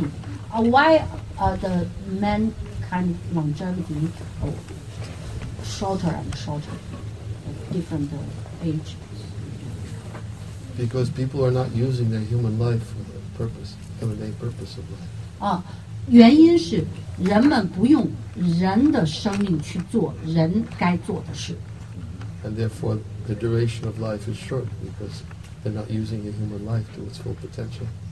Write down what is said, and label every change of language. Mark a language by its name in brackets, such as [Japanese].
[English] Why are the mankind longevity shorter and shorter, different age? Because people are not using their human life for the purpose, for the main purpose of life. [Chinese] 原因是人们不用人的生命去做人该做的事。 [English] And therefore, the duration of life is short because they're not using the human life to its full potential.